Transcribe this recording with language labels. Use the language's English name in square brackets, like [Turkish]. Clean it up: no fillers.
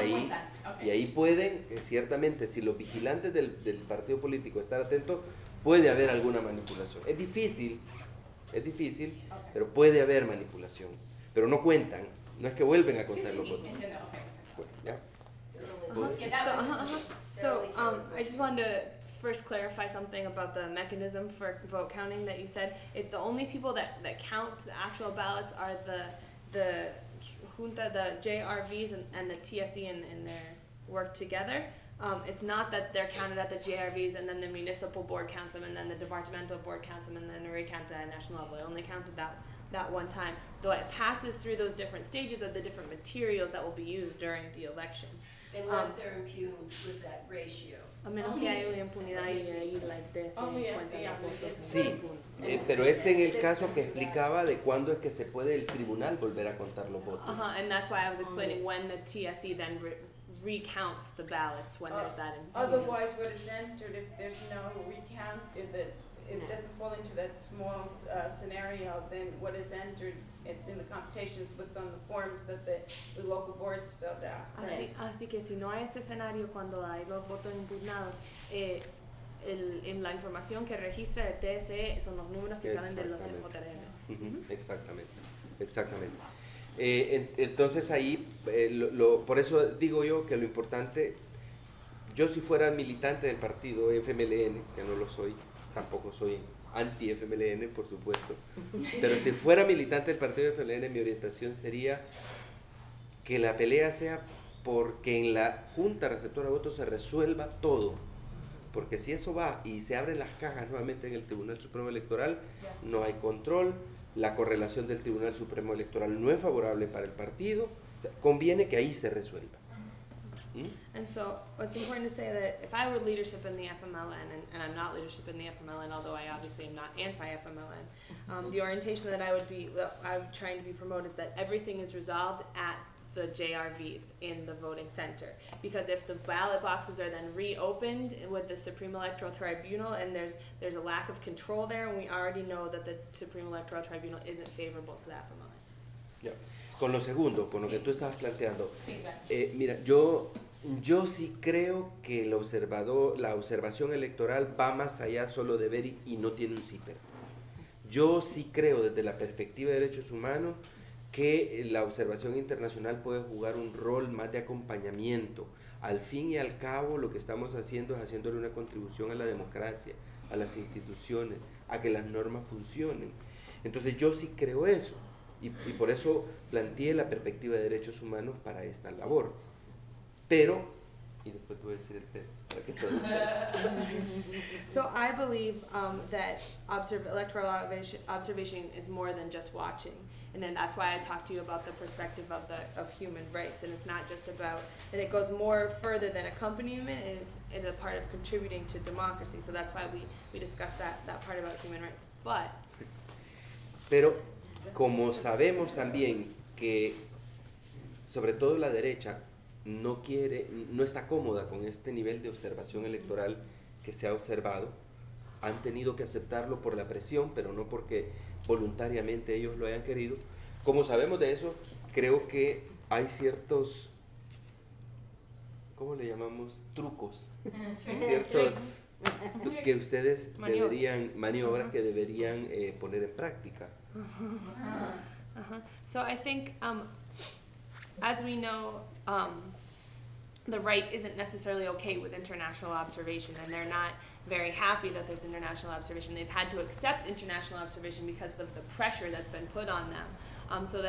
[Spanish] ahí, okay. Y ahí pueden, ciertamente, si los vigilantes del partido político están atentos, puede haber alguna manipulación. Es difícil, okay. Pero puede haber manipulación. Pero no cuentan, no es que vuelven a contarlo. Sí, entiendo, okay. Bueno, ya. [English] So, I just wanted to first clarify something about the mechanism for vote counting that you said. It, the only people that count the actual ballots are the junta, the JRVs and the TSE in their work together. It's not that they're counted at the JRVs and then the municipal board counts them and then the departmental board counts them and then they count at a national level. It only counted that one time. Though it passes through those different stages of the different materials that will be used during the elections. Unless they're impugned with that ratio. [Spanish] A menos que haya una impunidad ahí, [English] like this. [Spanish] Sí, pero es en el caso que explicaba de cuándo es que se puede el tribunal volver a contar los votos. [English] Uh-huh, and that's why I was explaining when the TSE then recounts the ballots, when there's that impugnment. Otherwise, what is entered, if there's no recount, if it doesn't fall into that small scenario, then what is entered in the computations, what's on the forms that the local boards filled out. [Spanish] Así que si no hay ese escenario cuando hay los votos impugnados, en la información que registra el TSE son los números que salen de los MJRMs. Mm-hmm. Exactamente. Entonces ahí, por eso digo yo que lo importante, yo si fuera militante del partido FMLN, que no lo soy, tampoco soy anti-FMLN, por supuesto. Pero si fuera militante del partido FMLN, mi orientación sería que la pelea sea porque en la Junta Receptora de Votos se resuelva todo. Porque si eso va y se abren las cajas nuevamente en el Tribunal Supremo Electoral, no hay control, la correlación del Tribunal Supremo Electoral no es favorable para el partido, conviene que ahí se resuelva. [English] And so it's important to say that if I were leadership in the FMLN, and I'm not leadership in the FMLN, although I obviously am not anti-FMLN, the orientation that I'm trying to be promoted is that everything is resolved at the JRVs in the voting center. Because if the ballot boxes are then reopened with the Supreme Electoral Tribunal and there's a lack of control there, and we already know that the Supreme Electoral Tribunal isn't favorable to the FMLN. [Spanish] Yeah. Con lo segundo, con lo sí. que tú estabas planteando. Sí, mira, yo sí creo que el observador, la observación electoral va más allá solo de ver y no tiene un zipper. Yo sí creo, desde la perspectiva de derechos humanos, que la observación internacional puede jugar un rol más de acompañamiento. Al fin y al cabo, lo que estamos haciendo es haciéndole una contribución a la democracia, a las instituciones, a que las normas funcionen. Entonces, yo sí creo eso. Y por eso planteé la perspectiva de derechos humanos para esta labor. Pero, y después voy a decir el pero, para que todo lo [English] So I believe that electoral observation is more than just watching. And then that's why I talked to you about the perspective of human rights. And it's not just about, and it goes more further than accompaniment, it's a part of contributing to democracy. So that's why we discussed that part about human rights. But, [Spanish] pero, como sabemos también que sobre todo la derecha no quiere, no está cómoda con este nivel de observación electoral que se ha observado, han tenido que aceptarlo por la presión, pero no porque voluntariamente ellos lo hayan querido. Como sabemos de eso, creo que hay ciertos, ¿cómo le llamamos? Trucos. Ciertos que ustedes deberían, maniobras que deberían poner en práctica. Uh-huh. [English] So I think, as we know, the right isn't necessarily okay with international observation, and they're not very happy that there's international observation. They've had to accept international observation because of the pressure that's been put on them.